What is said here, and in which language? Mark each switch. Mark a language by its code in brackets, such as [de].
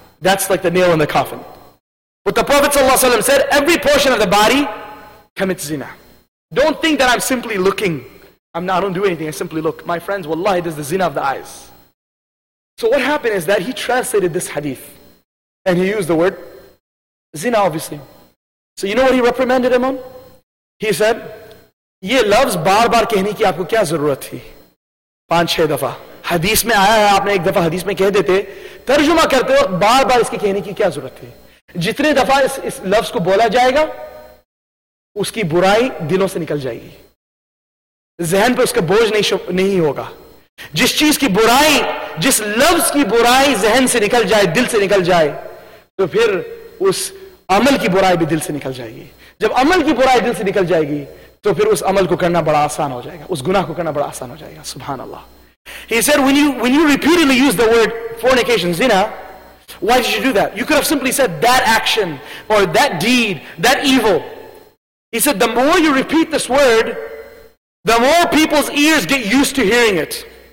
[en] That's like the nail in the coffin. But the Prophet ﷺ said, every portion of the body commits zina. Don't think that I'm simply looking. I don't do anything, I simply look. My friends, wallahi, this is the zina of the eyes. So what happened is that he translated this hadith. And he used the word zina, obviously. So you know what he reprimanded him on? He said, [ur] یہ loves بار بار کہنے کی آپکو کیا ضرورت تھی؟ 5-6 dafa. حدیث میں آیا ہے، آپنے ایک دفعہ حدیث میں کہہ دیتے، ترجمہ کرتے وقت بار بار اسکے کہنے کی کیا ضرورت تھی؟ جتنے دفعہ اس لفظ کو بولا جائیگا، اسکی برائی دلوں سے نکل جائیگی۔ ذہن پہ اسکا بوجھ نہیں ہوگا۔ جس چیز کی برائی، جس لفظ کی برائی ذہن سے نکل جائے، دل سے نکل جائے، تو پھر اس عمل کی برائی بھی دل سے نکل جائیگی۔ جب عمل کی برائی دل سے نکل جائیگی، تو پھر اس عمل کو کرنا بڑا آسان ہو جائیگا، اس گناہ کو کرنا بڑا آسان ہو جائیگا۔ [ar] Subhanallah. [en] He said, when you repeatedly use the word fornication, zina, why did you do that? You could have simply said that action or that deed, that evil. He said, the more you repeat this word, the more people's ears get used to hearing it.